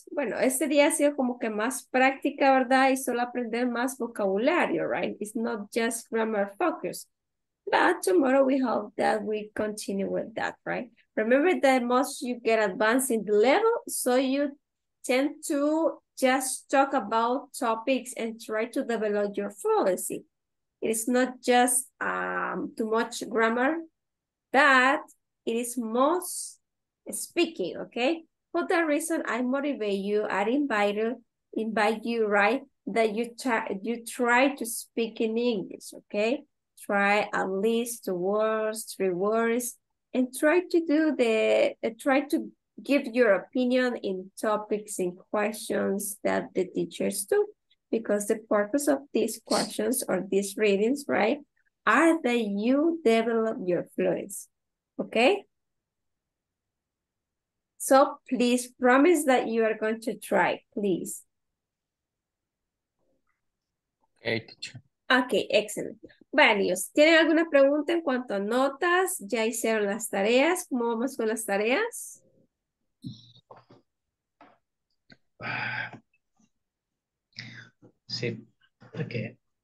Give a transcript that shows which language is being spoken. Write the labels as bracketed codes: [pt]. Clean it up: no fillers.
[es] Bueno, este día ha sido como que más práctica, ¿verdad? Y solo aprender más vocabulario, [en] right? It's not just grammar focus. But tomorrow we hope that we continue with that, right? Remember that most you get advanced in the level, so you tend to just talk about topics and try to develop your fluency. It is not just too much grammar, but it is most speaking, okay? For that reason, I motivate you, I invite you, right, that you try to speak in English, okay? Try at least 2 words, 3 words, and try to give your opinion in topics and questions that the teachers do, because the purpose of these questions or these readings, right, are that you develop your fluency, okay? So please promise that you are going to try, please. Okay, teacher. Okay, excellent. [es] Bueno, niños, ¿tienen alguna pregunta en cuanto a notas? ¿Ya hicieron las tareas? ¿Cómo vamos con las tareas? Sí, okay.